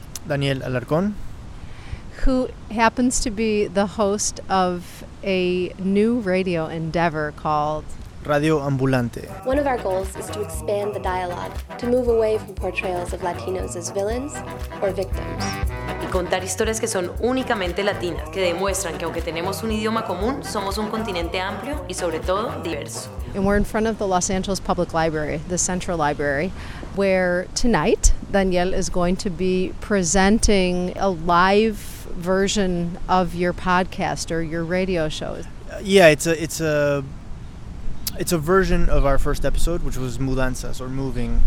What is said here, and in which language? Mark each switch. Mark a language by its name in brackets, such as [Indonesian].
[English] Daniel Alarcón, who happens to be the host of a new radio endeavor called Radio Ambulante. One of our goals is to expand the dialogue, to move away from portrayals of Latinos as villains or victims. [Spanish] Y contar historias que son únicamente latinas, que demuestran que aunque tenemos un idioma común, somos un continente amplio y sobre todo diverso. [English] And we're in front of the Los Angeles Public Library, the Central Library, where tonight Daniel is going to be presenting a live version of your podcast or your radio show. Yeah, it's a version of our first episode, which was Mudanzas, or moving.